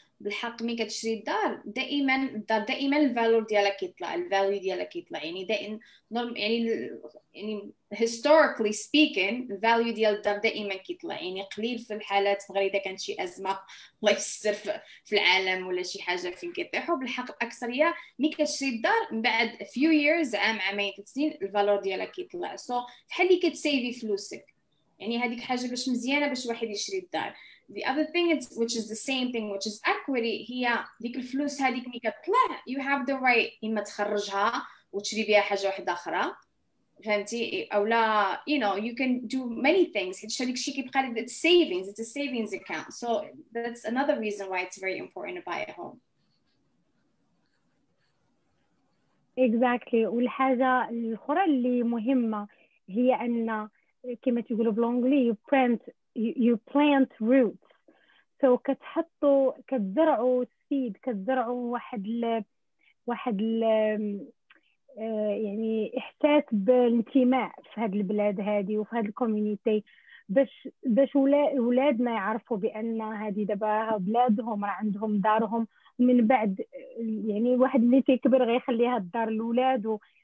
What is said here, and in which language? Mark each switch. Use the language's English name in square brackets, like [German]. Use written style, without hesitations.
[Arabic] بالحق ملي كتشري الدار دائما الدار دائما الفالور ديالها كيطلع, الفاليو ديالها كيطلع, يعني دائما يعني [English] historically speaking [Arabic] الفاليو ديال الدار دائما كيطلع, يعني قليل في الحالات غير اذا كانت شي ازمه الله يستر في العالم ولا شي حاجه فين كيطيحوا. بالحق الاكثريه ملي كتشري الدار من بعد فيو ييرز عام عامين ثلاث سنين الفالور ديالها كيطلع. سو بحال اللي كتسيفي فلوسك, يعني هذيك حاجه باش مزيانه باش واحد يشري الدار. [English] The other thing is, which is the same thing, which is equity. [Arabic] Here, ديك الفلوس هذيك ملي كتطلع, [English] you have the right [Arabic] إما تخرجها وتشري بها حاجة واحدة أخرى, فهمتي؟ أو لا, [English] you know, you can do many things. [Arabic] هذيك شي كيبقى لك, [English] it's savings, it's a savings account. So that's another reason why it's very important to buy a home. Exactly. [Arabic] والحاجة الأخرى اللي مهمة هي أن كما تقولوا بلونجلي, [English] you plant roots. [Arabic] So كتحطوا كتزرعوا seed, كتزرعوا واحد يعني احساس بالانتماء في هاد البلاد هادي وفي هاد الكوميونيتي, باش ولادنا يعرفوا بان هادي دابا بلادهم, راه عندهم دارهم, ومن بعد يعني واحد اللي تيكبر غيخليها الدار لولاده.